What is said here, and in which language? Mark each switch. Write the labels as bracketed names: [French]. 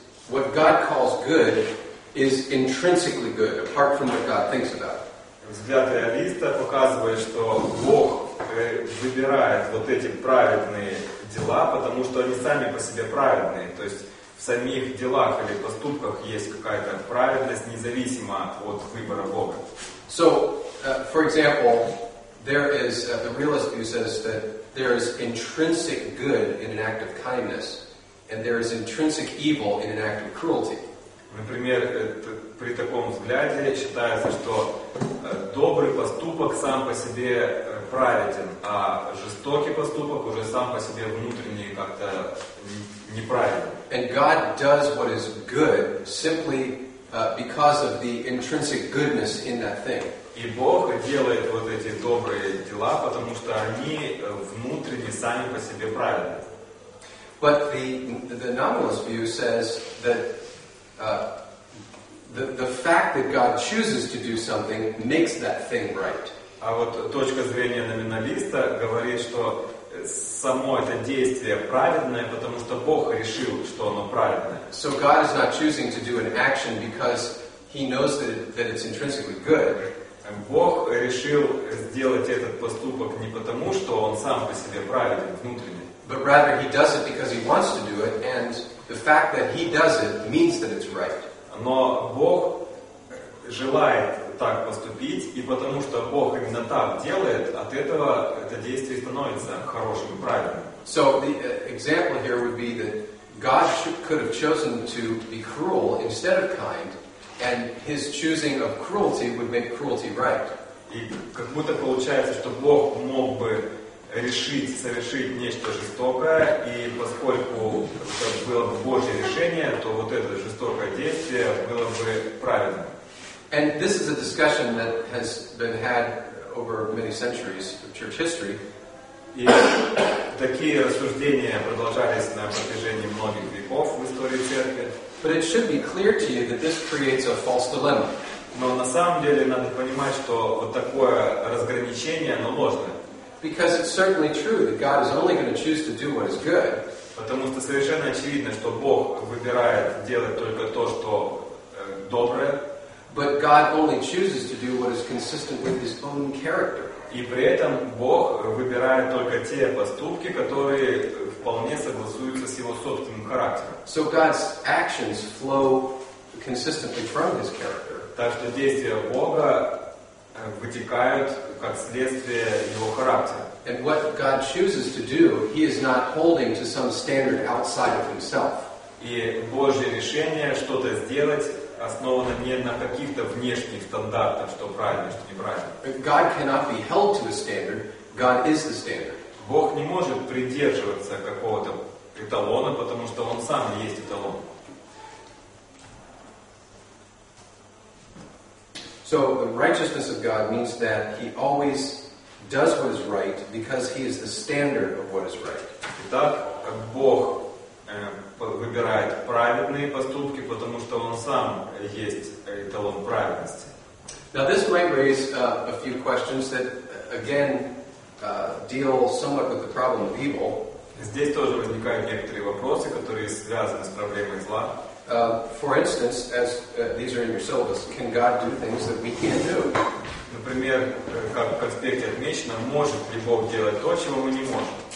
[English] What God calls good is intrinsically good, apart from what God thinks about. [Russian] Взгляд реалиста показывает, что Бог выбирает вот эти праведные дела, потому что они сами по себе праведные. То есть в самих делах или поступках есть какая-то праведность, независимо от выбора Бога. [English] So, for example, there is the realist view says that there is intrinsic good in an act of kindness. And there is intrinsic evil in an act of cruelty. [Russian] Например, при таком взгляде считается, что добрый поступок сам по себе праведен, а жестокий поступок уже сам по себе внутренне как-то неправеден. [English] And God does what is good simply because of the intrinsic goodness in that thing. [Russian] И Бог делает вот эти добрые дела, потому что они внутренне сами по себе праведны. [English] But the nominalist view says that the fact that God chooses to do something makes that thing right. [Russian] А вот точка зрения номиналиста говорит, что само это действие праведное, потому что Бог решил, что оно праведное. [English] So God is not choosing to do an action because he knows that it's intrinsically good. [Russian] Бог решил сделать этот поступок не потому, что он сам по себе праведен внутренне. [English] But rather, he does it because he wants to do it, and the fact that he does it means that it's right. [Russian] Но Бог желает так поступить, и потому что Бог именно так делает, от этого это действие становится хорошим и правильным. [English] So the example here would be that God could have chosen to be cruel instead of kind, and his choosing of cruelty would make cruelty right. [Russian] И как будто получается, что Бог мог бы решить совершить нечто жестокое, и поскольку это было бы Божье решение, то вот это жестокое действие было бы правильным. [English] And this is a discussion that has been had over many centuries of church history. [Russian] И такие рассуждения продолжались на протяжении многих веков в истории церкви. [English] But it should be clear to you that this creates a false dilemma. [Russian] Но на самом деле надо понимать, что вот такое разграничение, оно ложное. [English] Because it's certainly true that God is only going to choose to do what is good. [Russian] Потому что совершенно очевидно, что Бог выбирает делать только то, что доброе. [English] But God only chooses to do what is consistent with his own character. [Russian] И при этом Бог выбирает только те поступки, которые вполне согласуются с его собственным характером. [English] So God's actions flow consistently from his character. [Russian] Так что действия Бога вытекают как следствие его характера. [English] And what God chooses to do, he is not holding to some standard outside of himself. [Russian] И Божье решение что-то сделать основано не на каких-то внешних стандартах, что правильно, что неправильно. [English] God cannot be held to a standard. God is the standard. [Russian] Бог не может придерживаться какого-то эталона, потому что он сам и есть эталон. [English] So the righteousness of God means that he always does what is right because he is the standard of what is right. [Russian] Итак, как Бог выбирает праведные поступки, потому что он сам есть эталон праведности. [English] Now this might raise a few questions that again deal somewhat with the problem of evil. [Russian] Здесь тоже возникают некоторые вопросы, которые связаны с проблемой зла. [English] For instance, as these are in your syllabus, can God do things that we can't do? [Russian] Например, как в конспекте отмечено, может ли Бог делать то, чего мы не можем?